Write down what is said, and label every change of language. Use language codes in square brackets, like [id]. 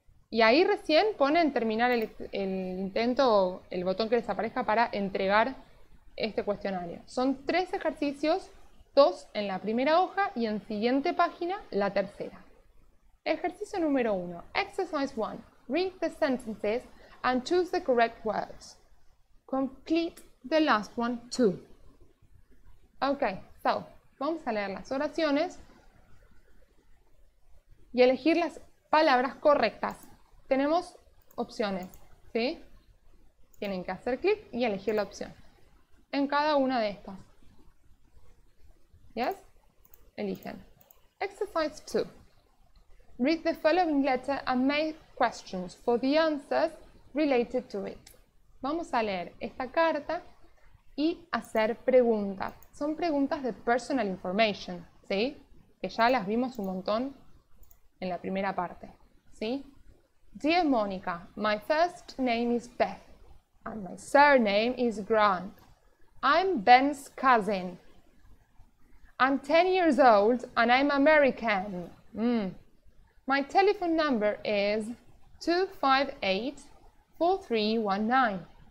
[es] Y ahí recién ponen terminar el intento o el botón que les aparezca para entregar este cuestionario. Son 3 ejercicios. 2 en la primera hoja y en siguiente página, la tercera. Ejercicio número 1. [en] Exercise 1. Read the sentences and choose the correct words. Complete the last one too. [es] Ok, so, vamos a leer las oraciones y elegir las palabras correctas. Tenemos opciones, ¿sí? Tienen que hacer clic y elegir la opción en cada una de estas. [en] ¿Yes? [es] Eligen. [en] Exercise 2. Read the following letter and make questions for the answers related to it. [es] Vamos a leer esta carta y hacer preguntas. Son preguntas de personal information, ¿sí? Que ya las vimos un montón en la primera parte, ¿sí? [en] Dear Monica, my first name is Beth and my surname is Grant. I'm Ben's cousin. I'm 10 years old and I'm American. My telephone number is 258-4319.